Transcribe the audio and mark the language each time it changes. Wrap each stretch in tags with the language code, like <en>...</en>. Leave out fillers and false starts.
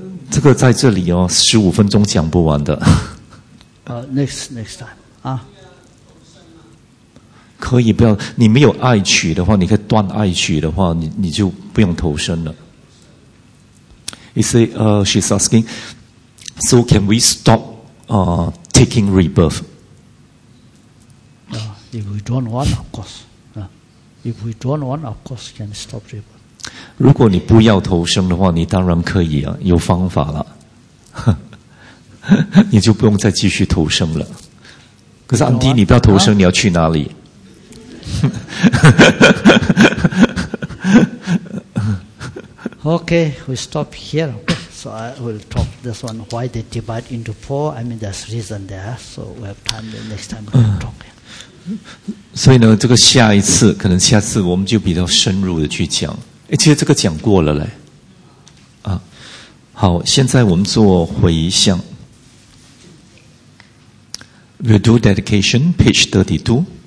<zh>这个在这里哦，15分钟讲不完的。</zh> <en>Next time 啊。</en> <zh>可以不要，你没有爱取的话，你可以断爱取的话，你就不用投生了。</zh> <en>You say, she's asking, so can we stop, taking rebirth? If we don't want, of course. If we don't want, of course, can stop rebirth.</en> <zh>如果你不要投生的话，你当然可以啊，有方法了，你就不用再继续投生了。可是安迪，你不要投生，你要去哪里？</zh> <en>Okay, we stop here. So I will talk this one. Why they divide into four? I mean, there's reason there. So we have time the next time we talk.</en> <zh>所以呢，这个下一次可能下次我们就比较深入的去讲。哎，其实这个讲过了嘞。啊，好，现在我们做回向。</zh> <en>We do dedication, page 32。</en>